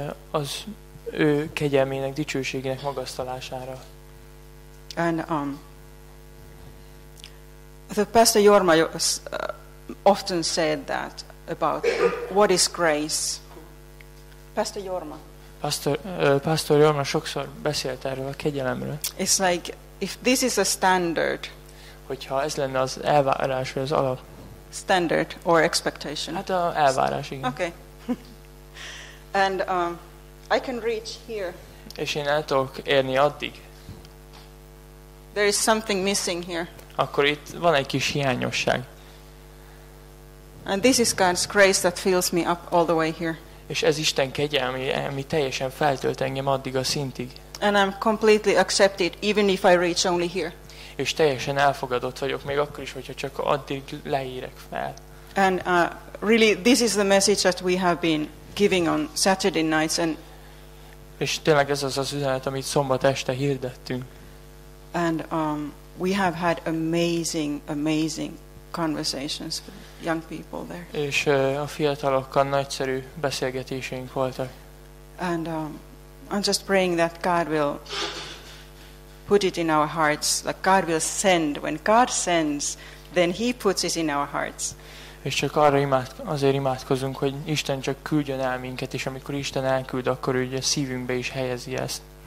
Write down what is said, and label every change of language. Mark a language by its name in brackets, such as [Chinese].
[Hungarian] Az ő kegyelmének, dicsőségének magasztalására. [English] And the Pastor Jorma often said that about what is grace. Pastor Jorma. [Hungarian] Pastor Jorma sokszor beszélt erről a kegyelemről. [English] It's like if this is a standard. [Hungarian] Hogyha ez lenne az elvárás vagy az alap. [English] Standard or expectation. [Hungarian] Hát a elvárás, igen. [English] Okay. And I can reach here. [Hungarian] És én el tudok érni addig. [English] There is something missing here. [Hungarian] Akkor itt van egy kis hiányosság. [English] And this is God's grace that fills me up all the way here. [Hungarian] És ez Isten kegyelme, ami teljesen feltölt engem addig a szintig. [English] And I'm completely accepted even if I reach only here. [Hungarian] És teljesen elfogadott vagyok még akkor is, hogyha csak addig leérek fel. [English] And really this is the message that we have been giving on Saturday nights and [Hungarian] és tényleg ez az az üzenet, amit szombat este hirdettünk. [English] And we have had amazing conversations with young people there. [Hungarian] És a fiatalokkal nagyszerű beszélgetéseink voltak. [English] And I'm just praying that God will put it in our hearts. Like God will send. When God sends, then he puts it in our hearts. [Hungarian] És csak arra azért imádkozunk, hogy Isten csak küldjön el minket, és amikor Isten elküld, akkor ő ugye szívünkbe is helyezi ezt.